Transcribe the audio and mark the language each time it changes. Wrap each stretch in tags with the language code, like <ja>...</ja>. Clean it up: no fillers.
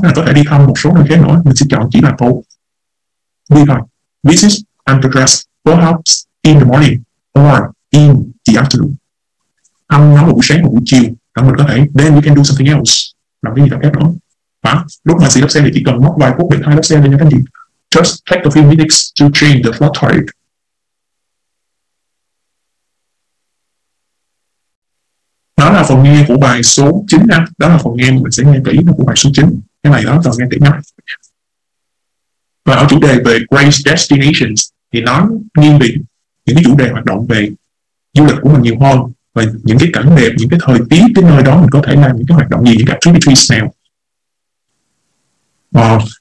<vi>Là có thể đi thăm một số nơi khác nữa. Mình sẽ chọn chỉ là câu đi thôi.</vi> <en>Visit Alcatraz, perhaps in the morning. Or in the afternoon.</en> <vi>Thăm nó là buổi sáng hoặc buổi chiều. Là mình có thể,</vi> <en>then we can do something else.</en> <vi>Làm cái gì đó khác nữa. Và lúc mà xì lớp xe thì chỉ cần móc vài phút để thay lớp xe lên nha các chị.</vi> <en>Just take a few minutes to change the flat tire.</en> <vi>Đó là phần nghe của bài số 9 nha. Đó là phần nghe mình sẽ nghe kỹ của bài số 9. Cái này đó là nghe kỹ nha. Và ở chủ đề về Grace Destinations thì nó nghiêng về những cái chủ đề hoạt động về du lịch của mình nhiều hơn, và những cái cảnh đẹp, những cái thời tiết, cái nơi đó mình có thể làm những cái hoạt động gì, những cái activities nào.</vi>